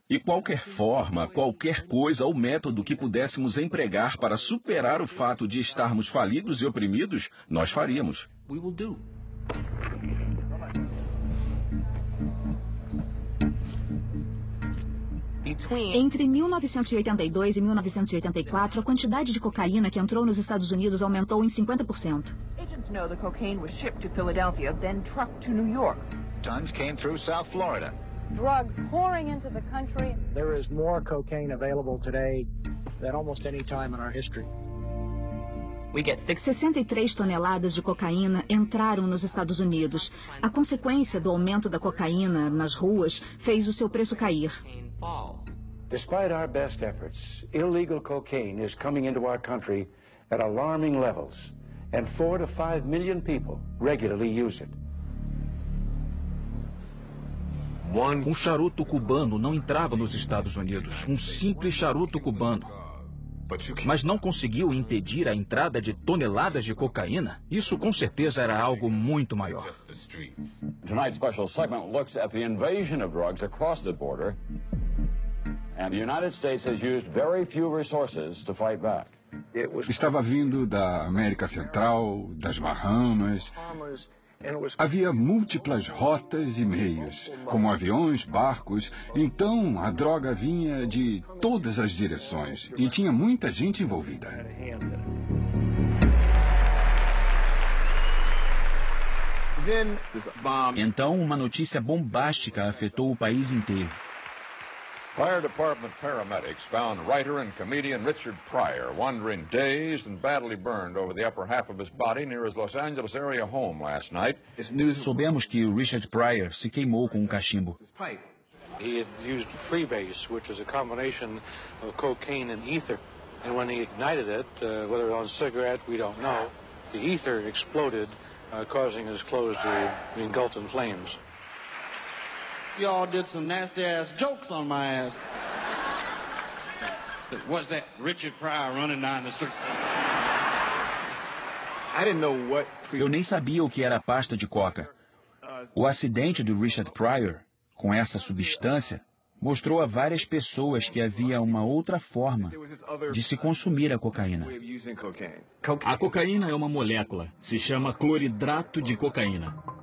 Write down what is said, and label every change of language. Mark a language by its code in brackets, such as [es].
[pt] E qualquer forma, qualquer coisa ou método que pudéssemos empregar para superar o fato de estarmos falidos e oprimidos, nós faríamos. Entre 1982 e 1984, a quantidade de cocaína que entrou nos Estados Unidos aumentou em 50%. [en] Agents know the cocaine was shipped to Philadelphia, then trucked to New York. Tons came through South Florida. Drugs pouring into the country. There is more cocaine available today than almost any time in our history. [pt] 63 toneladas de cocaína entraram nos Estados Unidos. A consequência do aumento da cocaína nas ruas fez o seu preço cair. [en] Despite our best efforts, illegal cocaine is coming into our country at alarming levels, and 4 to 5 million people regularly use it. [pt] Um charuto cubano não entrava nos Estados Unidos. Um simples charuto cubano. Mas não conseguiu impedir a entrada de toneladas de cocaína? Isso com certeza era algo muito maior. [en] Tonight's special segment looks at the invasion of drugs across the border. And the United States has used very few resources to fight back. [pt] Estava vindo da América Central, das Bahamas. Havia múltiplas rotas e meios, como aviões, barcos. Então, a droga vinha de todas as direções e tinha muita gente envolvida. Então, uma notícia bombástica afetou o país inteiro. [en] Fire department paramedics found writer and comedian Richard Pryor wandering dazed and badly burned over the upper half of his body near his Los Angeles area home last night. [pt] Soubemos que o Richard Pryor se queimou com um cachimbo. [en] He had used freebase, which was a combination of cocaine and ether. And when he ignited it, whether on cigarette, we don't know, the ether exploded, causing his clothes to be engulfed in flames. Y'all did some nasty-ass jokes on my ass. What's that Richard Pryor running down the street? I didn't know what... [pt] Eu nem sabia o que era a pasta de coca. O acidente do Richard Pryor, com essa substância, mostrou a várias pessoas que havia uma outra forma de se consumir a cocaína. A cocaína é uma molécula, se chama cloridrato de cocaína.